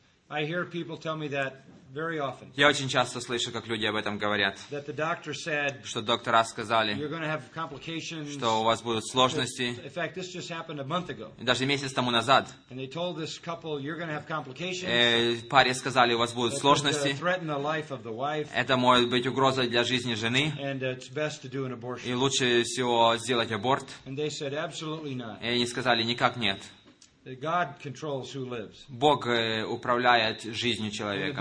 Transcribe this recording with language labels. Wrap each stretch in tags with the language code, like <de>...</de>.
<en>I hear people tell me that very often.</en> <ru>Я очень часто слышу, как люди об этом говорят.</ru> <en>That the doctor said,</en> <ru>что доктора сказали,</ru> <en>you're going to have complications,</en> <ru>что у вас будут сложности.</ru> <en>In fact, this just happened a month ago.</en> <ru>Даже месяц тому назад.</ru> <en>And they told this couple, you're going to have complications.</en> <ru>Паре сказали, у вас будут сложности.</ru> <en>Threaten the life of the wife.</en> <ru>Это может быть угрозой для жизни жены.</ru> <en>And it's best to do an abortion.</en> <ru>И лучше всего сделать аборт.</ru> <en>And they said, absolutely not.</en> <ru>И они сказали, никак нет.</ru> <en>God controls who lives.</en> <ru>Бог управляет жизнью человека.</ru>